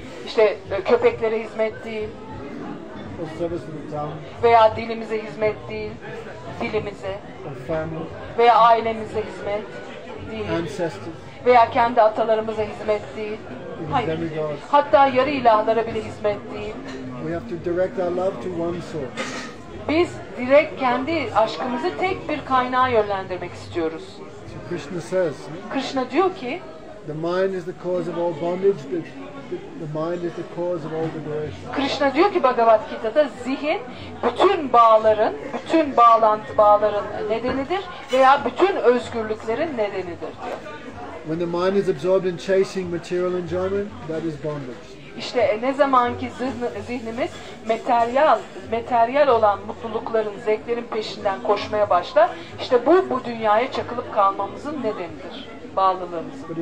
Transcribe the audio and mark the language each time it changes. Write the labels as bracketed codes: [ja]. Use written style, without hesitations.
[tr] İşte köpeklere hizmet değil. [en] Or service to the town. [tr] Veya dilimize hizmet değil. Dilimize. [en] Or family. [tr] Veya ailemize hizmet değil. [en] Ancestors. [tr] Veya kendi atalarımıza hizmet değil. Hayır. Hatta yarı ilahlara bile hizmet değil. [en] We have to direct our love to one source. [tr] Biz direkt kendi aşkımızı tek bir kaynağa yönlendirmek istiyoruz. [en] So Krishna says. [tr] Krishna diyor ki [en] the mind is the cause of all bondage. The mind is the cause of all liberation. [tr] Krishna diyor ki Bhagavad Gita'da zihin bütün bağların, bütün bağların nedenidir veya bütün özgürlüklerin nedenidir diyor. [en] When the mind is absorbed in chasing material enjoyment, that is bondage. [tr] İşte ne zamanki zihnimiz materyal olan mutlulukların, zevklerin peşinden koşmaya başlar, işte bu dünyaya çakılıp kalmamızın nedenidir, bağlılığımızın.